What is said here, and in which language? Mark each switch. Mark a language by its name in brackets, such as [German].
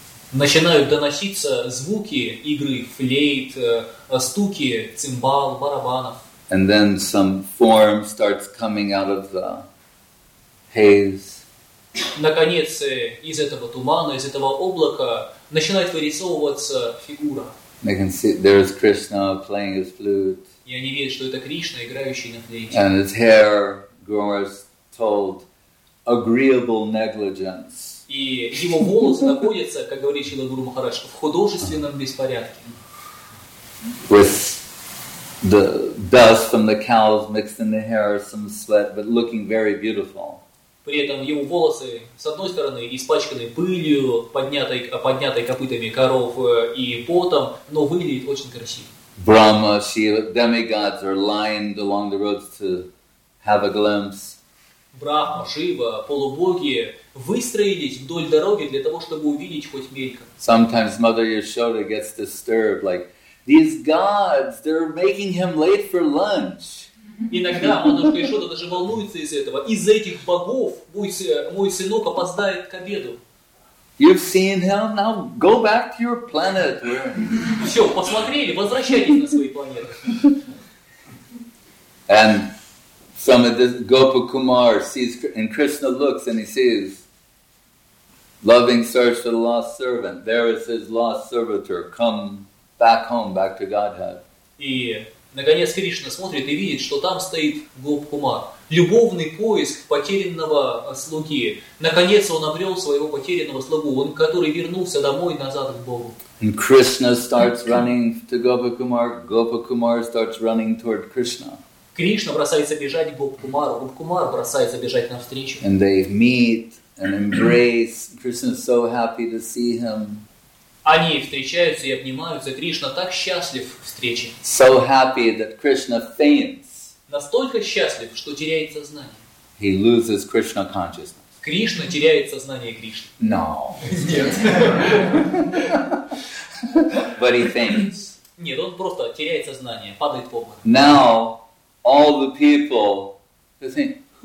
[Russian] Начинают доноситься звуки игры флейт, стуки цимбал, барабанов. [English] And then some form starts coming out of the haze. [Russian] Наконец, из этого тумана, из этого облака начинает вырисовываться фигура. [English] They can see there is Krishna playing his flute. [Russian] И они видят, что это Кришна, играющий на флейте. [English] And his hair grows told agreeable negligence. [Russian] И его волосы находятся, как говорит Шрила Гуру Махарадж, в художественном беспорядке. [English] With the dust from the cows mixed in the hair, some sweat, but looking very beautiful. [Russian] При этом его волосы, с одной стороны, испачканы пылью, поднятой копытами коров и потом, но выглядит очень красиво. [English] Brahma, Shiva, demigods are lined along the roads to have a glimpse. [Russian] Брахма, Шива, полубоги выстроились вдоль дороги для того, чтобы увидеть хоть мельком. [English] Sometimes Mother Yashoda gets disturbed, like, these gods, they're making him late for lunch. [Russian] Иногда Матушка Яшода даже волнуется из этого. Из-за этих богов мой сынок опоздает к обеду. [English] You've seen him, now go back to your planet. [Russian] Все, посмотрели, возвращайтесь на свои планеты. [English] And some of this Gopa Kumar sees, and Krishna looks and he sees, loving search for the lost servant. There is his lost servitor. Come back home, back to Godhead. [Russian] И наконец Кришна смотрит и видит, что там стоит Гоп Кумар. Любовный поиск потерянного слуги. Наконец он обрел своего потерянного слугу, он который вернулся домой назад к Богу. [English] And Krishna starts running to Gopa Kumar. Gopa Kumar starts running toward Krishna. [Russian] Кришна бросается бежать к Гоп-Кумару, Гоп-Кумар бросается бежать навстречу. [English] And they meet and embrace. Krishna is so happy to see him. [Russian] Они встречаются и обнимаются. Кришна так счастлив встрече. [English] So happy that Krishna faints. [Russian] Настолько счастлив, что теряет сознание. [English] He loses Krishna consciousness. [Russian] Кришна теряет сознание Кришны. [English] No. [Russian] Нет. [English] But he faints. [Russian] Нет, он просто теряет сознание, падает в обморок. [English] Now all the people, they think,